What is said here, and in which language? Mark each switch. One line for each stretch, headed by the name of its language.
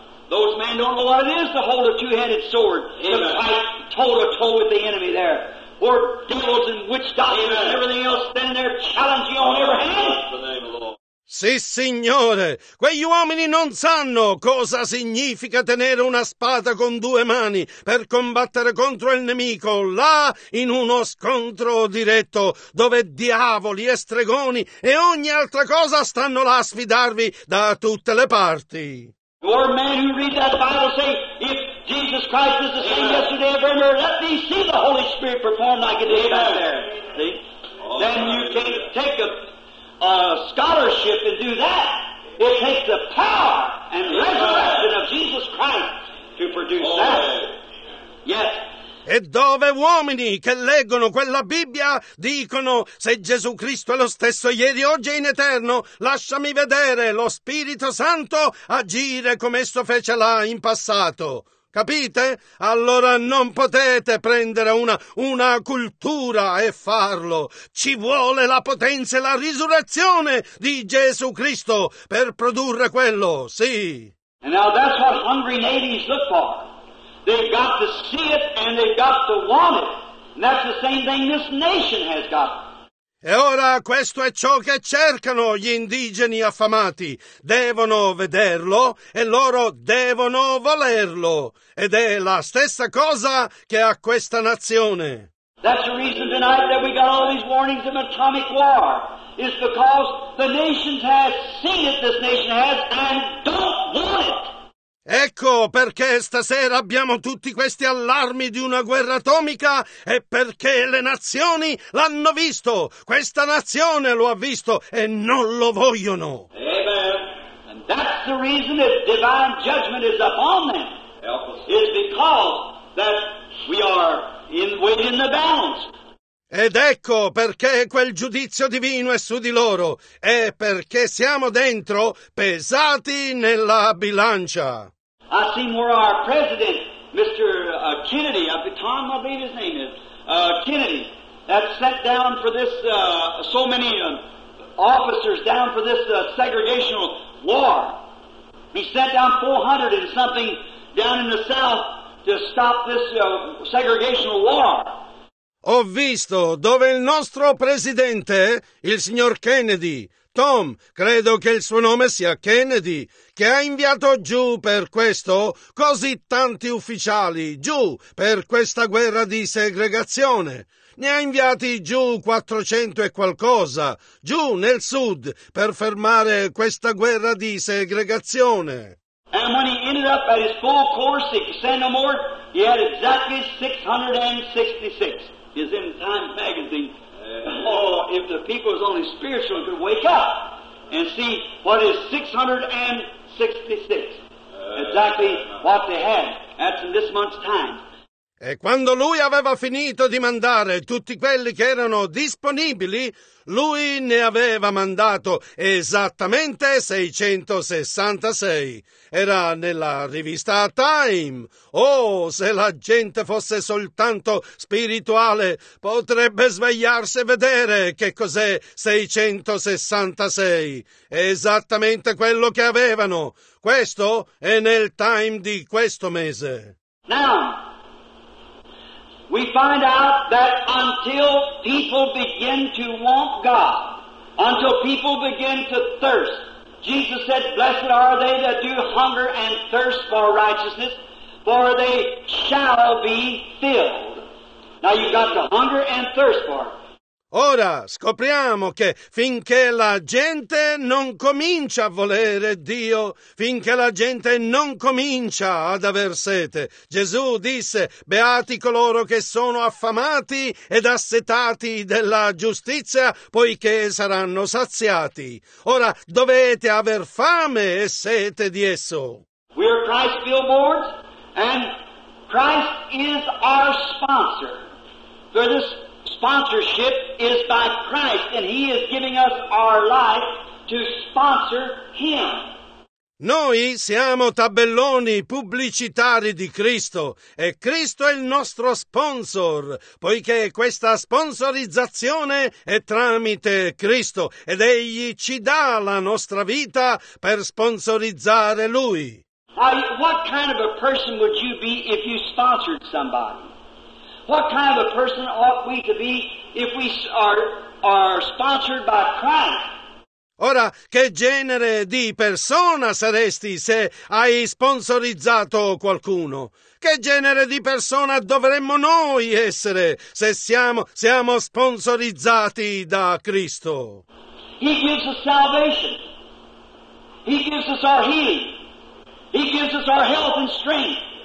English: Those men don't know what it is to hold a two-handed sword, to fight toe-to-toe with the enemy there. Or devils and witch doctors and everything else standing there challenging you on every hand.
Italian: Sì, signore, quegli uomini non sanno cosa significa tenere una spada con due mani per combattere contro il nemico là in uno scontro diretto dove diavoli e stregoni e ogni altra cosa stanno là a sfidarvi da tutte le parti.
English: Or men who read that Bible say, if Jesus Christ is the same yesterday and forever, let me see the Holy Spirit perform like it did back there. See? Then you can't take a scholarship and do that. It takes the power and resurrection of Jesus Christ to produce that. Yes.
Italian: E dove uomini che leggono quella Bibbia dicono se Gesù Cristo è lo stesso ieri, oggi e in eterno, lasciami vedere lo Spirito Santo agire come esso fece là in passato. Capite? Allora non potete prendere una cultura e farlo. Ci vuole la potenza e la risurrezione di Gesù Cristo per produrre quello, sì.
English: And now that's what hungry natives look for. They've got to see it and they've got to want it. And that's the same thing this nation has got.
Italian: E ora questo è ciò che cercano gli indigeni affamati. Devono vederlo e loro devono volerlo. Ed è la stessa cosa che ha questa nazione.
English: That's the reason tonight that we got all these warnings of atomic war. It's because the nations have seen it, this nation has, and don't want it.
Italian: Ecco perché stasera abbiamo tutti questi allarmi di una guerra atomica e perché le nazioni l'hanno visto, questa nazione lo ha visto e non lo vogliono.
English: Amen. And that's the reason that divine judgment is upon them. Is because that we are in the balance.
Italian: Ed ecco perché quel giudizio divino è su di loro, è perché siamo dentro pesati nella bilancia.
English: I see more our president, Mr. Kennedy, of the time, I believe his name is, Kennedy, that sat down for this, so many officers down for this segregational war. He sat down 400 and something down in the South to stop this segregational war.
Italian: Ho visto dove il nostro presidente, il signor Kennedy, Tom, credo che il suo nome sia Kennedy, che ha inviato giù per questo così tanti ufficiali, giù per questa guerra di segregazione. Ne ha inviati giù 400 e qualcosa, giù nel sud, per fermare questa guerra di segregazione.
English: And when he ended up at his full course, he sent no more, he had exactly 666. Is in Time magazine. Oh, if the people was only spiritual and could wake up and see what is 666. Exactly what they had. That's in this month's time.
Italian: E quando lui aveva finito di mandare tutti quelli che erano disponibili, lui ne aveva mandato esattamente 666. Era nella rivista Time. Oh, se la gente fosse soltanto spirituale, potrebbe svegliarsi e vedere che cos'è 666. Esattamente quello che avevano. Questo è nel Time di questo mese.
English: Now, we find out that until people begin to want God, until people begin to thirst, Jesus said, blessed are they that do hunger and thirst for righteousness, for they shall be filled. Now you've got to hunger and thirst for it.
Italian: Ora scopriamo che finché la gente non comincia a volere Dio, finché la gente non comincia ad aver sete, Gesù disse, beati coloro che sono affamati ed assetati della giustizia, poiché saranno saziati. Ora dovete aver fame e sete di esso.
English: We are Christ's billboards, and Christ is our sponsor. For this sponsorship is by Christ, and He is giving us our life to sponsor Him.
Italian: Noi siamo tabelloni pubblicitari di Cristo, e Cristo è il nostro sponsor, poiché questa sponsorizzazione è tramite Cristo, ed Egli ci dà la nostra vita per sponsorizzare Lui.
English: What kind of a person would you be if you sponsored somebody? What kind of a person ought we to be if we are sponsored by Christ?
Italian: Ora, che genere di persona saresti se hai sponsorizzato qualcuno? Che genere di persona dovremmo noi essere se siamo sponsorizzati da Cristo?
English: He gives us salvation. He gives us our healing. He gives us our health and strength.